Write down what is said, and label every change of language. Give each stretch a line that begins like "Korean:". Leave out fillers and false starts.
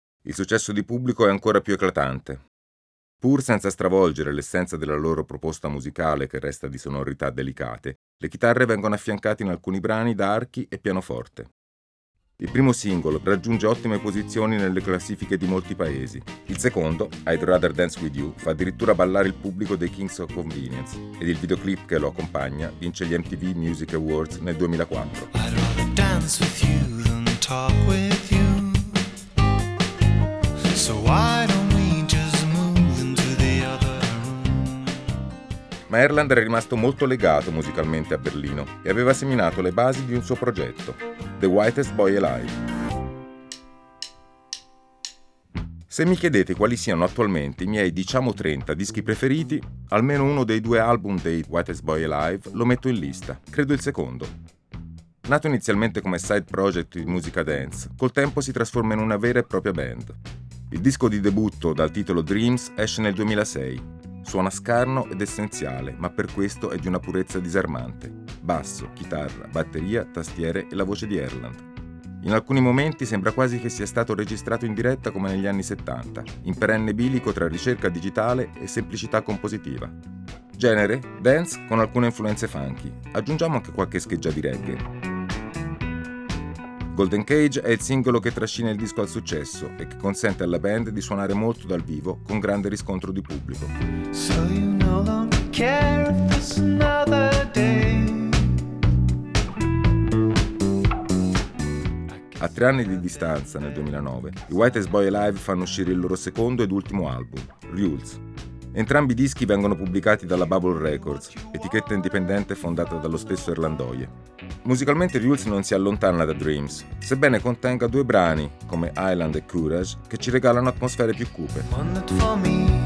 Italian: Il successo di pubblico è ancora più eclatante. Pur senza stravolgere l'essenza della loro proposta musicale che resta di sonorità delicate, le chitarre vengono affiancate in alcuni brani da archi e pianoforte. Il primo singolo raggiunge ottime posizioni nelle classifiche di molti paesi. Il secondo, I'd Rather Dance With You, fa addirittura ballare il pubblico dei Kings of Convenience ed il videoclip che lo accompagna vince gli MTV Music Awards nel 2004.
English: I'd rather dance with you than talk with you. So why don't we just move into the other room?
Italian: Ma Erland era rimasto molto legato musicalmente a Berlino e aveva seminato le basi di un suo progetto, The Whitest Boy Alive. Se mi chiedete quali siano attualmente i miei, diciamo, 30 dischi preferiti, almeno uno dei due album dei Whitest Boy Alive lo metto in lista, credo il secondo. Nato inizialmente come side project di musica dance, col tempo si trasforma in una vera e propria band. Il disco di debutto dal titolo Dreams esce nel 2006. Suona scarno ed essenziale, ma per questo è di una purezza disarmante. Basso, chitarra, batteria, tastiere e la voce di Erland. In alcuni momenti sembra quasi che sia stato registrato in diretta come negli anni 70, in perenne bilico tra ricerca digitale e semplicità compositiva. Genere, dance con alcune influenze funky. Aggiungiamo anche qualche scheggia di reggae. Golden Cage è il singolo che trascina il disco al successo e che consente alla band di suonare molto dal vivo con grande riscontro di pubblico.
English: So you no longer care if it's another day.
Italian: A 3 anni di distanza, nel 2009, i Whitest Boy Alive fanno uscire il loro secondo ed ultimo album, Rules. Entrambi i dischi vengono pubblicati dalla Bubble Records, etichetta indipendente fondata dallo stesso Erlandoie. Musicalmente Rules non si allontana da Dreams, sebbene contenga due brani, come Island e Courage, che ci regalano atmosfere più cupe.